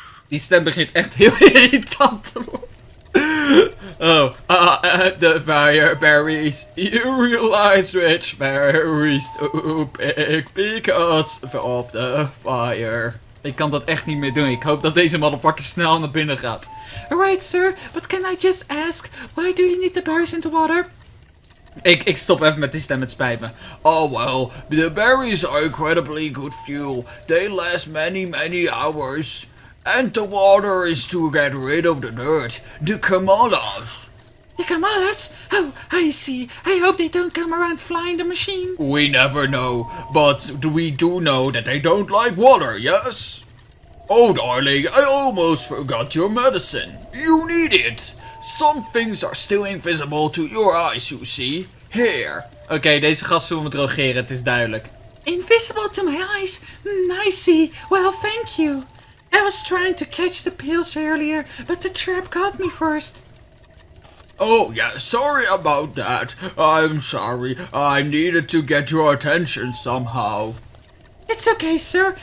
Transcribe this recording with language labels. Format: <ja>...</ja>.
<nl>Die stem begint echt heel irritant te worden.</nl> <en>And the fireberries. You realize which berries to pick because of the fire.</en> <nl>Ik kan dat echt niet meer doen. Ik hoop dat deze motherfucker snel naar binnen gaat.</nl> <en>Alright, sir, but can I just ask, why do you need the berries in the water?</en> <nl>Ik stop even met die stem, het spijt me.</nl> <en>Oh well, the berries are incredibly good fuel. They last many, many hours. And the water is to get rid of the dirt. The Kamalas. The Kamalas? Oh, I see. I hope they don't come around flying the machine. We never know, but we do know that they don't like water, yes? Oh, darling, I almost forgot your medicine. You need it. Some things are still invisible to your eyes, you see. Here.</en> <nl>Okay, deze gasten willen me drogeren, het is duidelijk.</nl> <en>Invisible to my eyes? I see. Well, thank you. I was trying to catch the pills earlier, but the trap caught me first. Oh, yeah, sorry about that. I'm sorry. I needed to get your attention somehow. It's okay, sir.</en>